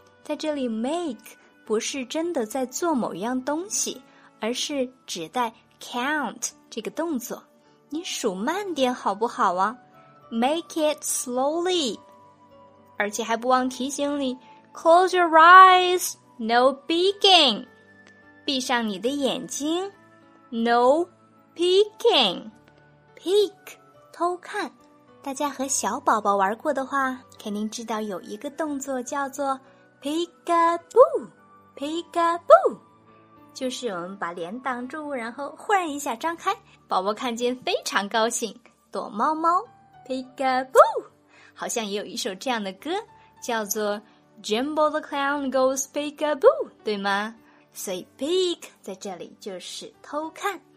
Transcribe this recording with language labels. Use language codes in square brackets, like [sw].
[zh] 在这里 make 不是真的在做某样东西，而是指代 count 这个动作。你数慢点好不好啊？ [en] Make it slowly. [zh] 而且还不忘提醒你 [en] Close your eyes. No peeking, [zh] 闭上你的眼睛。 [en] No peeking, peek, 偷看。 [zh] 大家和小宝宝玩过的话，肯定知道有一个动作叫做 peekaboo, peekaboo, 就是我们把脸挡住，然后忽然一下张开，宝宝看见非常高兴，躲猫猫。 peekaboo, 好像也有一首这样的歌，叫做Jumbo the clown goes peekaboo, 对吗？所以 peek 在这里就是偷看，